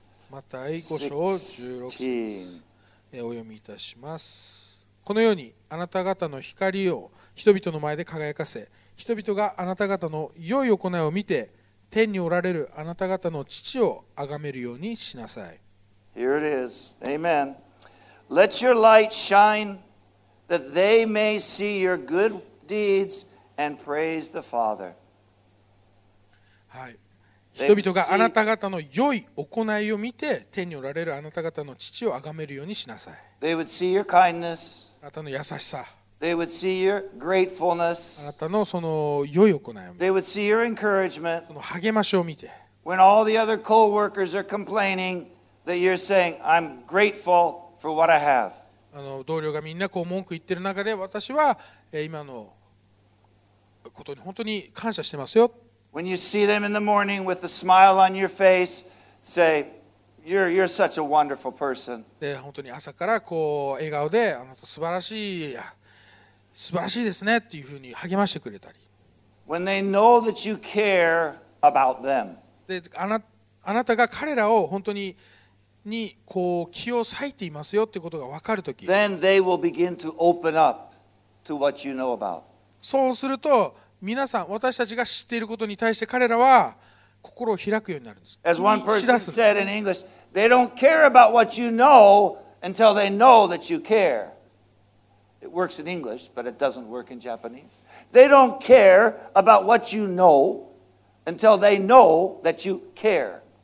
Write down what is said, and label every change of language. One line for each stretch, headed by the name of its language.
Japanese: マタイ五章十六節。お読みいたします。このようにあなた方の光を人々の前で輝かせ、人々があなた方の良い行いを見て、天におられるあなた方の父を崇めるようにしなさい。
English: Here it is. Amen. Let your light shine that they may see your good deeds and praise the Father.
Japanese: はい。人々があなた方の良い行いを見て、天におられるあなた方の父を崇めるようにしなさい。
English: They would see your kindness.
Japanese: あなたの優しさ。
English: They would see your gratefulness.
Japanese: あなたのその良い行いを見て。
English: They would see your encouragement.
Japanese: その励ましを見て。
English: When all the other co-workers are complaining, that you're saying, I'm grateful for what I have.
Japanese: 同僚がみんなこう文句言ってる中で、私は今のことに本当に感謝してますよ。
English: When you see them in the morning with a smile on your face, say, you're such a wonderful person.
Japanese: で本当に朝からこう笑顔で、あなた素晴らしい。素晴らしいですねっていうふうに励ましてくれたり。
English: When they know that you care about them.
Japanese: で、あなたが彼らを本当にこう気を割いていますよってことが分かるとき。
English: Then they will begin to open up to what you know about.
Japanese: そうすると、皆さん、私たちが知っていることに対して彼らは心を開くようになるんです。
English: As one person said in English, they don't care about what you know until they know that you care. It works in English, but it doesn't work in Japanese. They don't care about what you know until they know that you care.